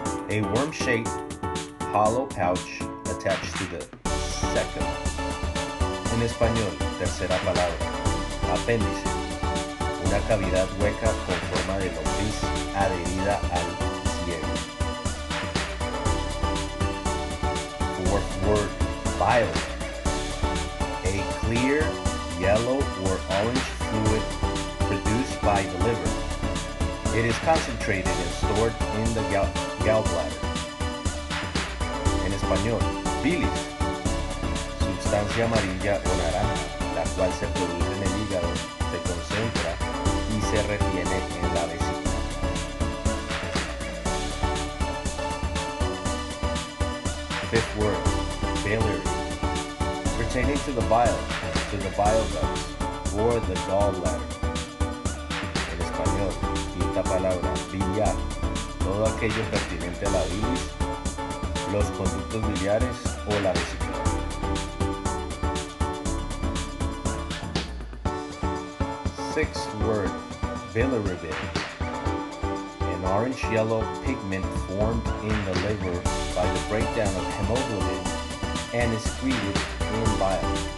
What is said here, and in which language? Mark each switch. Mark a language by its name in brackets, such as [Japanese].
[English] A worm-shaped hollow pouch attached to the second. [Spanish] En español, tercera palabra, apéndice. Una cavidad hueca con forma de lombriz adherida al cierre. [English] Fourth word, bile. A clear, yellow or orange fluid produced by the liver. It is concentrated and stored in the gallbladder. [Spanish] En español, bilis. Sustancia amarilla o naranja, la cual se produce en el hígado, se concentra y se retiene en la vesícula. [English] Fifth word, biliary. Pertaining to the bile ducts, or the gallbladder. [Spanish] En español, quinta palabra, biliar. Todo aquello pertinente a la bilis, los conductos biliares o la vesícula. [English] Sixth word, bilirubin. An orange-yellow pigment formed in the liver by the breakdown of hemoglobin and is excreted in bile.